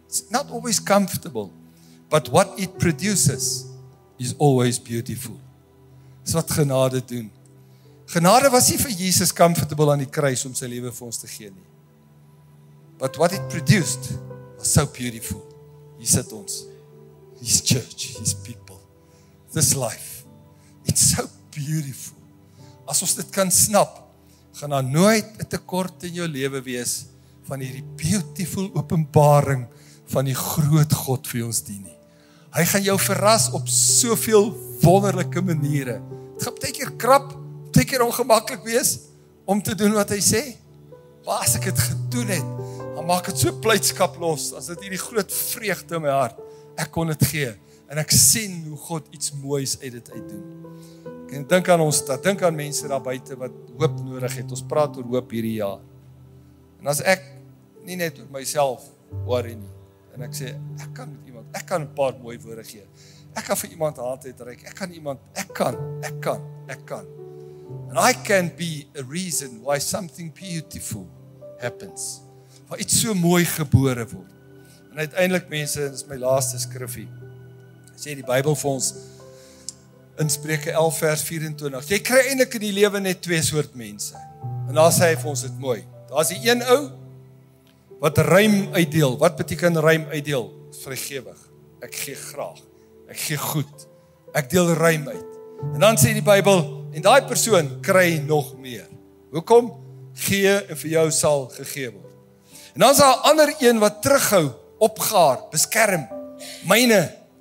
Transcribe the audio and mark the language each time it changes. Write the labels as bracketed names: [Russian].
[English] It's not always comfortable, but what it produces is always beautiful. [Afrikaans] Dis wat genade doen. Genade was nie vir Jesus comfortable aan die kruis om sy lewe vir ons te gee nie. [English] But what it produced was so beautiful. [Afrikaans] Hier sit ons. [English] His church, his people. This life. It's so beautiful. [Afrikaans] As ons dit kan snap, gaan daar nooit 'n tekort in jou lewe wees van hierdie beautiful openbaring van die groot God vir ons dien nie. Hy gaan jou verras op soveel wonderlike maniere. Dit gaan baie keer krap, baie keer ongemaklik wees om te doen wat hy sê. Maar as ek dit gedoen het, dan maak dit so blydskap los, as dit hierdie groot vreugde in my hart. Ek kon dit gee en ek sien hoe God iets moois uit dit uit doen. Ek dink aan ons, ek dink aan mense daar buite wat hoop nodig het. Ons praat oor hoop hierdie jaar. En as ek nie net oor myself worry nie, en ek sê, ek kan met iemand, ek kan 'n paar mooi woorde gee. Ek kan vir iemand hand uitreik. Ek kan. [English] And I can be a reason why something beautiful happens. [Afrikaans] Waar iets so mooi gebore word. En uiteindelik mense, dit is my laaste skrifgie. Sê die Bybel vir ons in Spreuke 11 vers 24. Jy kry eintlik in die lewe net twee soort mense. En daar sê hy vir ons dit mooi. Daar's die een ou wat ruim uitdeel. Wat beteken ruim uitdeel? Vrygewig. Ek gee graag. Ek gee goed. Ek deel ruim uit. En dan sê die Bybel, en daai persoon kry nog meer. Hoekom? Gee en vir jou sal gegee word. En dan is daar 'n ander een wat terughou, opgaar, beskerm. Myne.